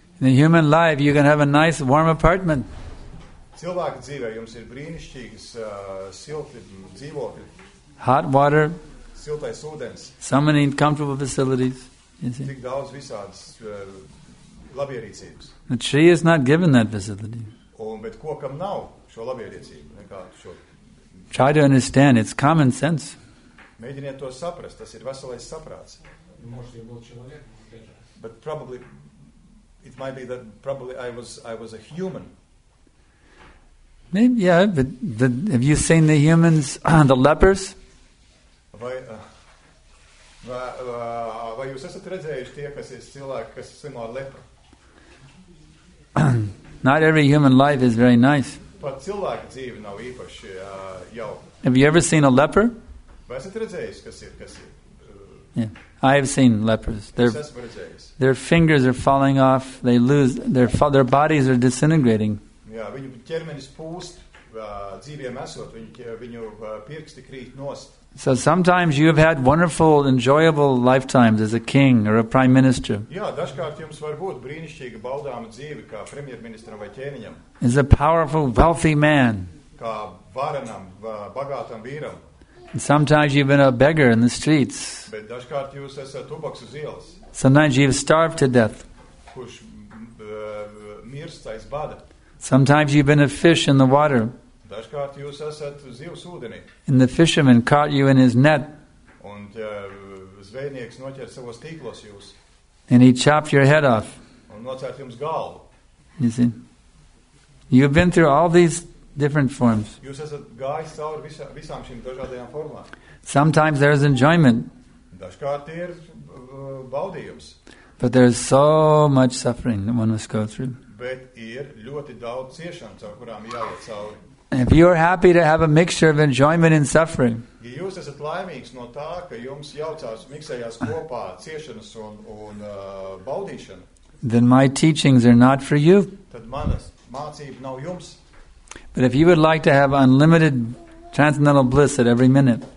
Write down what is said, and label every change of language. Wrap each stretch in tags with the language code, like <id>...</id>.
<en>In the human life you can have a nice warm apartment.</en> <lv>Cilvēka dzīvē jums ir brīnišķīgs silti dzīvokļi.</lv> <en>Hot water.</en> <lv>Siltais ūdens.</lv> <en>So many comfortable facilities.</en> <lv>Tik daudz visādas labierīcības.</lv> <en>The tree is not given that facility.</en> <lv>Bet kokam nav šo labierīcību.</lv> <en>Try to understand, it's common sense.</en> <lv>Mēģiniet to saprast, tas ir veselais saprāts.</lv> <en>But probably, it might be that probably I was a human. Maybe, yeah, but have you seen the humans, the lepers?</en> <lv>Vai jūs esat redzējuši tie, kas ir cilvēki, kas slimo ar lepru?</lv> <en>Not every human life is very nice.</en> <lv>Pat cilvēka dzīve nav īpaši jauka.</lv> <en>Have you ever seen a leper?</en> <lv>Vai esat redzējuši, kas ir?</lv> <en>Yeah, I have seen lepers.</en> <lv>Es esmu redzējis.</lv> <en>Their fingers are falling off, they lose, their bodies are disintegrating.</en> <lv>Jā, viņu ķermenis pūst, dzīviem esot, viņu pirksti krīt nost.</lv> <en>So sometimes you have had wonderful, enjoyable lifetimes as a king or a prime minister.</en> <lv>Jā, dažkārt jums var būt brīnišķīga baudāma dzīve kā premjerministram vai ķēniņam.</lv> <en>As a powerful, wealthy man.</en> <lv>Kā varenam, bagātam vīram.</lv> <en>And sometimes you've been a beggar in the streets.</en> <lv>Bet dažkārt jūs esat ubags uz ielas.</lv> <en>Sometimes you've starved to death.</en> <lv>Kurš mirst aiz bada.</lv> <en>Sometimes you've been a fish in the water.</en> <lv>Dažkārt jūs esat zivs ūdenī.</lv> <en>And the fisherman caught you in his net.</en> <lv>Un zvejnieks noķēra savos tīklos jūs.</lv> <en>And he chopped your head off.</en> <lv>Un nocērt jums galvu.</lv> <en>You see? You've been through all these different forms.</en> <lv>Jūs esat gājis cauri visām šīm dažādajām formām.</lv> <en>Sometimes there is enjoyment.</en> <lv>Dažkārt ir baudījums.</lv> <en>But there is so much suffering that one must go through.</en> <lv>Bet ir ļoti daudz ciešanu, caur kurām jāiet cauri.</lv> <en>If you are happy to have a mixture of enjoyment and suffering,</en> <lv>ja jūs esat laimīgs no tā, ka jums jaucās miksējās kopā ciešanas un baudīšana,</lv> <en>then my teachings are not for you.</en> <lv>Tad manas mācības nav jums.</lv> <en>But if you would like to have unlimited transcendental bliss at every minute,</en>